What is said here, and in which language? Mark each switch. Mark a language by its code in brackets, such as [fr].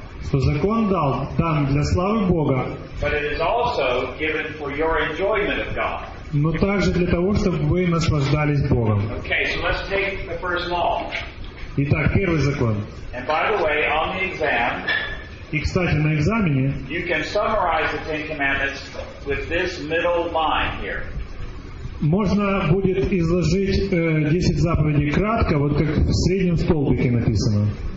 [ru] что закон дал, дан для славы Бога, [en] but it is also given for your enjoyment of God. [ru] Но также для того, чтобы вы наслаждались Богом. [en] Okay, so let's take the first law. [ru] Итак, первый закон. [en] And by the way, on the exam, [ru] и, кстати, на экзамене [en] you can summarize the Ten Commandments with this middle line here. [ru] Можно будет изложить 10 заповедей кратко, вот как в среднем столбике написано.